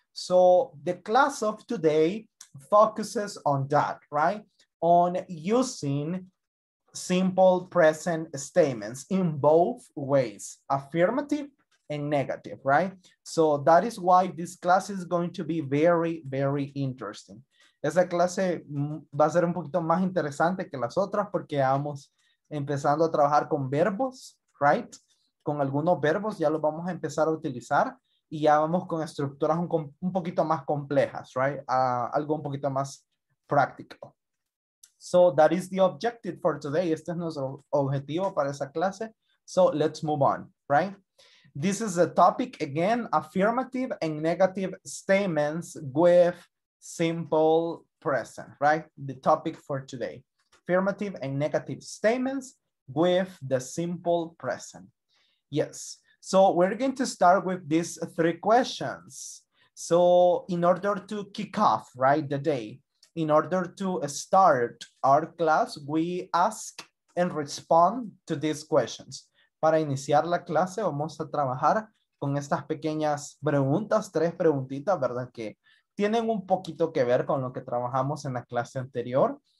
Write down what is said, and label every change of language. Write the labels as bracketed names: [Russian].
[English] So the class of today focuses on that, right? On using simple present statements in both ways, affirmative and negative, right? So that is why this class is going to be very, very interesting. [Spanish] Esa clase va a ser un poquito más interesante que las otras porque vamos empezando a trabajar con verbos, right? Con algunos verbos ya los vamos a empezar a utilizar y ya vamos con estructuras un poquito más complejas, right? Algo un poquito más práctico. [English] So that is the objective for today. [Spanish] Este es nuestro objetivo para esa clase. [English] So let's move on, right? This is the topic again, affirmative and negative statements with simple present, right? The topic for today, affirmative and negative statements with the simple present. Yes. So we're going to start with these three questions. So in order to kick off, right, the day, in order to start our class, we ask and respond to these questions. [Spanish] Para iniciar la clase, vamos a trabajar con estas pequeñas preguntas, tres preguntitas, ¿verdad? Que tienen un poquito que ver con lo que trabajamos en la clase anterior.